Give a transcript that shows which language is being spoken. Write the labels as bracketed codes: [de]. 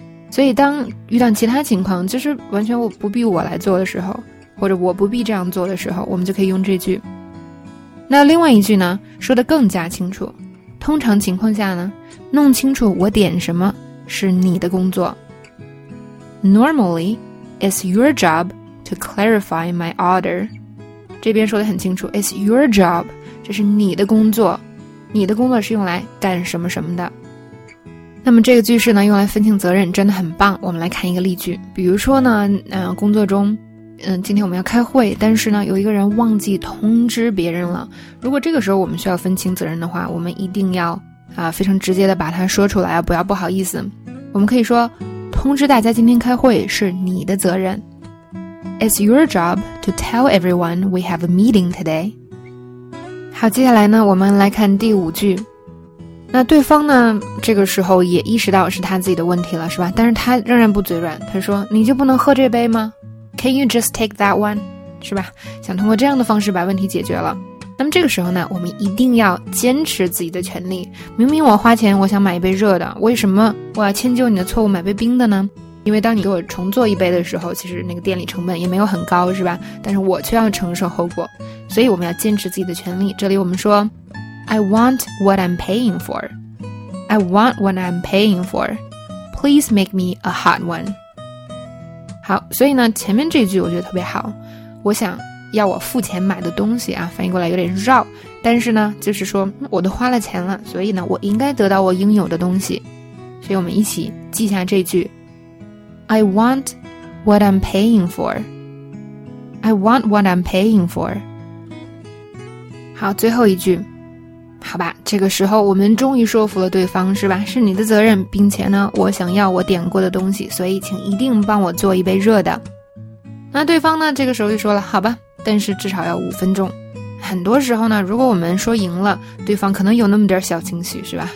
[zh] 所以当遇到其他情况，就是完全我不必我来做的时候，或者我不必这样做的时候，我们就可以用这句。那另外一句呢，说得更加清楚，通常情况下呢，弄清楚我点什么是你的工作。 [en] Normally, it's your job to clarify my order. [zh] 这边说得很清楚， it's your job, 这是你的工作，你的工作是用来干什么什么的。那么这个句式呢，用来分清责任真的很棒。我们来看一个例句，比如说呢，工作中，今天我们要开会，但是呢，有一个人忘记通知别人了。如果这个时候我们需要分清责任的话，我们一定要非常直接的把它说出来，不要不好意思。我们可以说，通知大家今天开会是你的责任。 [en] It's your job to tell everyone we have a meeting today. [zh] 好，接下来呢，我们来看第五句。那对方呢，这个时候也意识到是他自己的问题了，是吧？但是他仍然不嘴软，他说，你就不能喝这杯吗？ [en] Can you just take that one? [zh] 是吧？想通过这样的方式把问题解决了。那么这个时候呢，我们一定要坚持自己的权利。明明我花钱我想买一杯热的，为什么我要迁就你的错误买杯冰的呢？因为当你给我重做一杯的时候，其实那个店里成本也没有很高，是吧？但是我却要承受后果，所以我们要坚持自己的权利。 [en] 这里我们说，I want what I'm paying for. I want what I'm paying for. Please make me a hot one. [zh] 好，所以呢，前面这句我觉得特别好。我想要我付钱买的东西啊，翻译过来有点绕，但是呢，就是说我都花了钱了，所以呢，我应该得到我应有的东西。所以我们一起记下这句。 [en] I want what I'm paying for. I want what I'm paying for. [zh] 好，最后一句。好吧，这个时候我们终于说服了对方，是吧？是你的责任，并且呢，我想要我点过的东西，所以请一定帮我做一杯热的。那对方呢，这个时候就说了，好吧，但是至少要五分钟。很多时候呢，如果我们说赢了，对方可能有那么点小情绪，是吧？